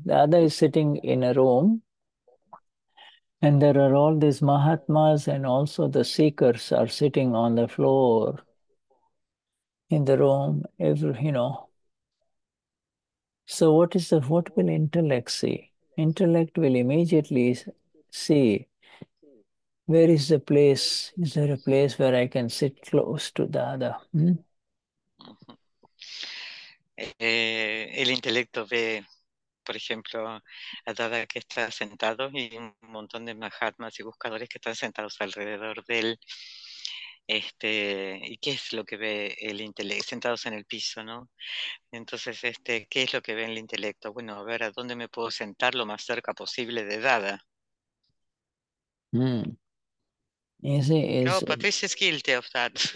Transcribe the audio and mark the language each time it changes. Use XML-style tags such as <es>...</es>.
<en>Dada is sitting in a room, and there are all these Mahatmas and also the seekers are sitting on the floor in the room, you know. So what will intellect see? Intellect will immediately see, where is the place? Is there a place where I can sit close to Dada? Hmm?</en> <es>El intelecto ve, por ejemplo, a Dada que está sentado y un montón de mahatmas y buscadores que están sentados alrededor de él. ¿Y qué es lo que ve el intelecto? Sentados en el piso, ¿no? Entonces, ¿qué es lo que ve el intelecto? Bueno, a ver, ¿a dónde me puedo sentar lo más cerca posible de Dada?</es> <en>Is No, but this is guilty of that.</en>